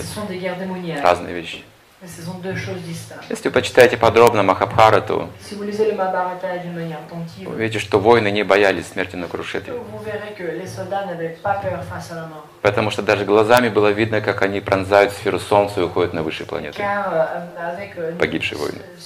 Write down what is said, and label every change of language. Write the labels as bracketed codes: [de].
[fr] Ce sont des guerres démoniaques. [ru] Разные вещи. [fr] Ce sont deux choses distinctes. [ru] Если вы почитаете подробно Махабхарату, [fr] si vous lisez le Mahabharata d'une manière attentive, [ru] вы видите, что воины не боялись смерти на Курукшетре. [fr] Vous verrez que les soldats n'avaient pas peur face à la mort. [ru] Потому что даже глазами было видно, как они пронзают сферу Солнца и уходят на высшие планеты. Погибшие воины.